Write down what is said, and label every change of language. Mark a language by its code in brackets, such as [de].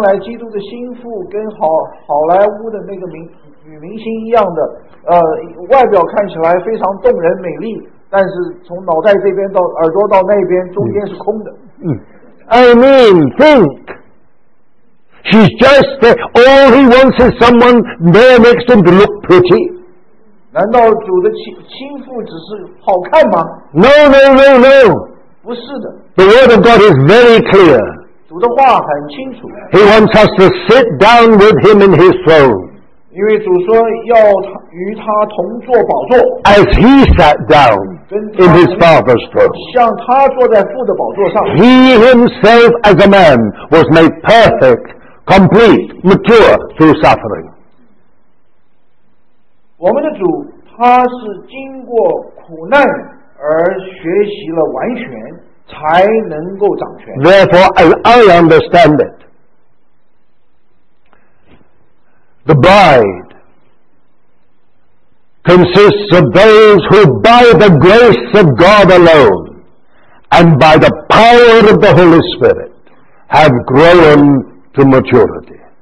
[zh] 你难道想到这个将来基督的心腹跟好莱坞的那个名？女明星一样的，外表看起来非常动人美丽，但是从脑袋这边到耳朵到那边，中间是空的。 [en] I mean, think. She's just that all he wants is someone there next to him to look pretty. [zh] 难道主的心腹只是好看吗？ [en] No. [zh] 不是的。 [en] The word of God is very clear. [zh] 主的话很清楚。 [en] He wants us to sit down with him in his throne. [zh] 因为主说要与他同坐宝座, [en] as he sat down in his father's throne, [zh] 像他坐在父的宝座上, [en] he himself as a man was made perfect, complete, mature through suffering. [zh] 我们的主, 他是经过苦难而学习了完全, 才能够掌权。 [en] Therefore, as I understand it, the bride consists of those who by the grace of God alone and by the power of the Holy Spirit have grown to maturity.